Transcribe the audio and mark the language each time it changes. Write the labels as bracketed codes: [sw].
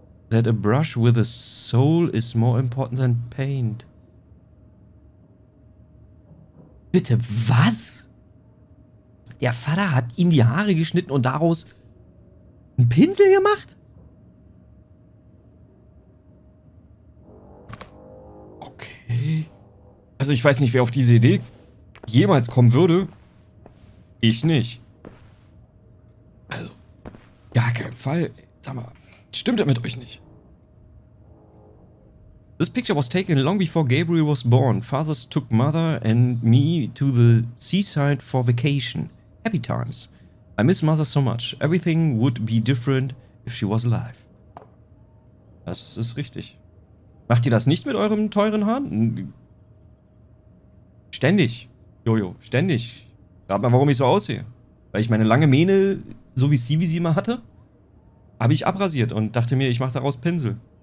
[en] that a brush with a soul is more important than paint. [de] Bitte, was? Der Vater hat ihm die Haare geschnitten und daraus einen Pinsel gemacht? Okay. Also ich weiß nicht, wer auf diese Idee jemals kommen würde. Ich nicht. Also, gar keinen Fall. Sag mal, stimmt das mit euch nicht? [en] This picture was taken long before Gabriel was born. Fathers took mother and me to the seaside for vacation. Happy times. I miss mother so much. Everything would be different if she was alive. [de] Das ist richtig. Macht ihr das nicht mit eurem teuren Haaren? Ständig. Jojo, ständig. Rat mal, warum ich so aussehe. Weil ich meine lange Mähne, so wie sie immer hatte, habe ich abrasiert und dachte mir, ich mache daraus Pinsel.